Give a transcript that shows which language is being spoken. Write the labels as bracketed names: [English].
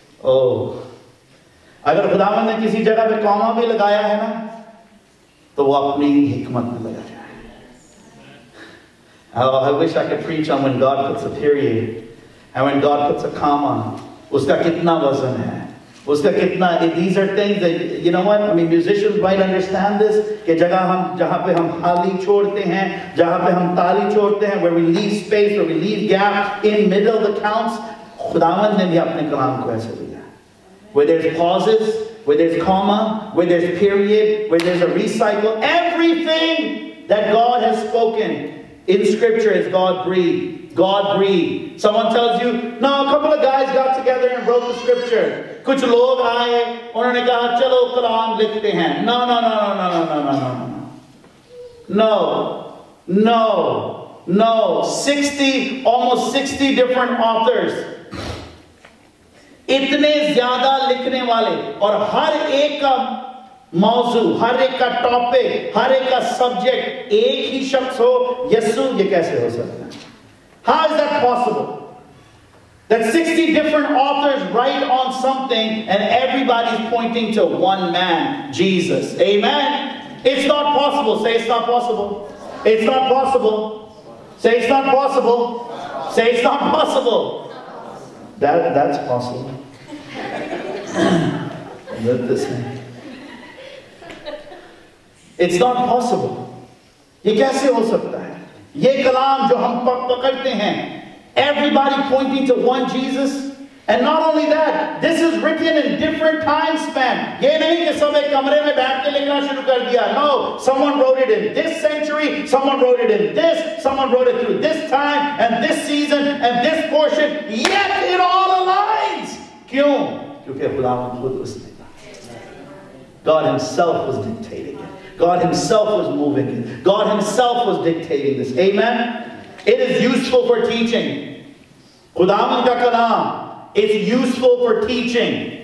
[Urdu] اوہ اگر خداوند نے کسی جگہ پہ کاما بھی لگایا ہے نا تو وہ اپنی حکمت میں لگایا ہے. [English] Oh, I wish I could preach on when God puts a period and when God puts a comma. [Urdu] اس کا کتنا وزن ہے, اس کا کتنا, [English] these are things that, you know what, I mean, musicians might understand [Urdu] this, کہ جگہ ہم, جہاں پہ ہم حالی چھوڑتے ہیں, جہاں پہ ہم تالی چھوڑتے ہیں, [English] where we leave space, where we leave gap, in middle of the counts, [Urdu] خداوند نے بھی اپنے کلام کو ایسے دیا. [English] Where there's pauses, where there's comma, where there's period, where there's a recycle, everything that God has spoken in scripture is God breathed. God breathed. Someone tells you, no, a couple of guys got together and wrote the scripture. [Urdu] Kuch log aaye, unhone kaha, chalo Quran likhte hain. [English] No, no, no, no, no, no, no, no, no. No, no, no. 60, almost 60 different authors. [Urdu] اتنے زیادہ لکھنے والے, اور ہر ایک کا موضوع, ہر ایک کا ٹاپک, ہر ایک کا سبجیکٹ ایک ہی شخص ہو, یسوع, یہ کیسے ہو سکتا ہے؟ [English] How is that possible? That 60 different authors write on something and everybody's pointing to one man, Jesus. Amen? It's not possible. Say it's not possible. It's not possible. Say it's not possible. Say it's not possible. That's possible. Let this in. It's not possible. [Urdu] یہ کیسے ہو سکتا ہے؟ یہ کلام جو ہم پکڑتے ہیں, [English] everybody pointing to one Jesus, and not only that, this is written in different time span. [Urdu] یہ نہیں کہ سب ایک کمرے میں بیٹھ کے لکھنا شروع کر دیا. [English] No, someone wrote it in this century, someone wrote it in this, someone wrote it through this time and this season and this portion, yet it all aligns. [Urdu] کیوں؟ کیونکہ خداوند خود اس نے کہا. [English] God himself was dictating it. God himself was moving it. God himself was dictating this. Amen? It is useful for teaching. [Urdu] خداوند کا کلام [English] is useful for teaching.